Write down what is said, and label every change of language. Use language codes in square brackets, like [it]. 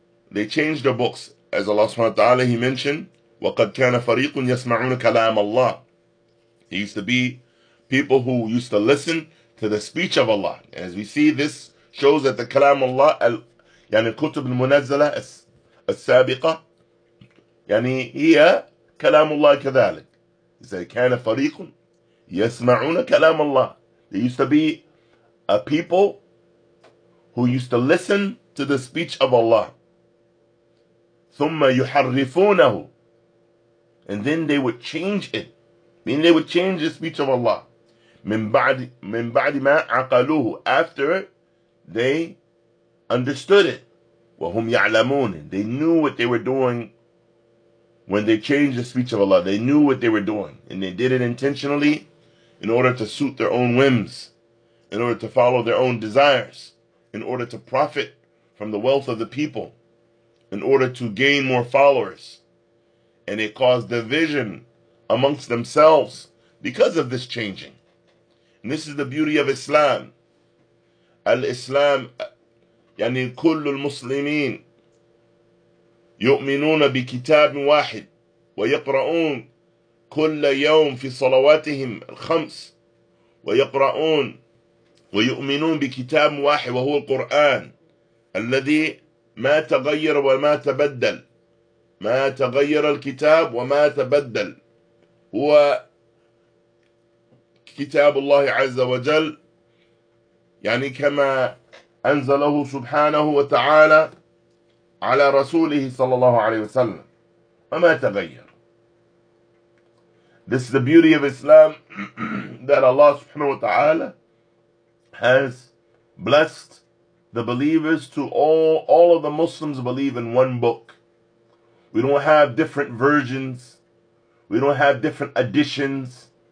[en] They changed the books, as Allah subhanahu wa ta'ala, he mentioned, [ar] وَقَدْ كَانَ فَرِيقٌ يَسْمَعُونَ كَلَامَ اللَّهِ. [en] He used to be people who used to listen to the speech of Allah. And as we see, this shows that the [ar] كلام الله يعني كتب المنزلة السابقة يعني هي كلام الله كذلك. [en] He said, [ar] كان فريق يسمعون كلام الله. [en] There used to be a people who used to listen to the speech of Allah. [ar] ثم يحرفونه. [en] And then they would change it. Meaning they would change the speech of Allah. [ar] من بعد ما عقلوه. [en] After they understood it. [ar] وهم يعلمون. [en] They knew what they were doing. When they changed the speech of Allah, they knew what they were doing. And they did it intentionally in order to suit their own whims, in order to follow their own desires, in order to profit from the wealth of the people, in order to gain more followers. And it caused division amongst themselves because of this changing. And this is the beauty of Islam. [ar] Al-Islam, يعني كل المسلمين يؤمنون بكتاب واحد ويقرؤون كل يوم في صلواتهم الخمس ويقرؤون ويؤمنون بكتاب واحد وهو القرآن الذي ما تغير وما تبدل ما تغير الكتاب وما تبدل هو كتاب الله عز وجل يعني كما أنزله سبحانه وتعالى على رسوله صلى الله عليه وسلم وما تغير. [en] This is the beauty of Islam that Allah subhanahu wa ta'ala has blessed the believers to all of the Muslims believe in one book. We don't have different versions. We don't have different editions.